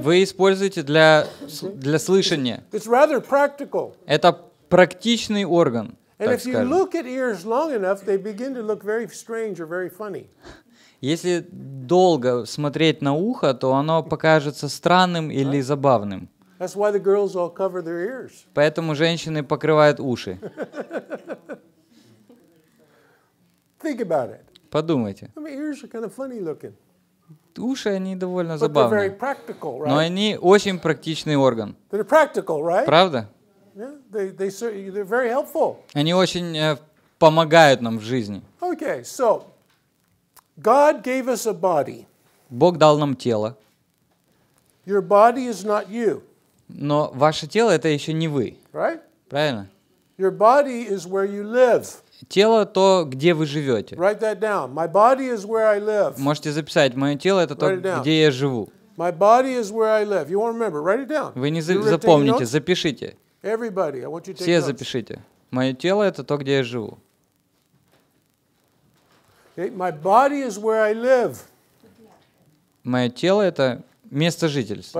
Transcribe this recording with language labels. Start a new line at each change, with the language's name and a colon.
Russian: Вы используете для слышания.
English: It's rather practical.
Russian: Это практичный орган.
English: And
Russian: так
English: if you
Russian: скажем.
English: Look at ears long enough, they begin to look very strange or very funny.
Russian: Если долго смотреть на ухо, то оно покажется странным или забавным.
English: That's why the girls all cover their ears.
Russian: Поэтому женщины покрывают уши.
English: Think about it.
Russian: Подумайте.
English: I mean, ears are kind of funny looking.
Russian: Уши, они довольно забавные.
English: But they're very practical, right?
Russian: Но они очень практичный орган.
English: They're practical, right?
Russian: Правда?
English: Yeah, they're very helpful.
Russian: Они очень помогают нам в жизни.
English: Okay, so God gave us a body.
Russian: Бог дал нам тело.
English: Your body is not you.
Russian: Но ваше тело — это еще не вы.
English: Right?
Russian: Правильно?
English: Your body is where you live.
Russian: Тело — то, где вы живете.
English: Write that down. My body is where I live.
Russian: Можете записать. Мое тело — это то, где я живу.
English: My body is where I live. You won't remember. Write it down.
Russian: Вы не запомните. Запишите.
English: Everybody, I want you to take
Russian: Все
English: notes.
Russian: Запишите. Мое тело — это то, где я живу.
English: Okay. My body is where I live.
Russian: Мое тело — это место жительства.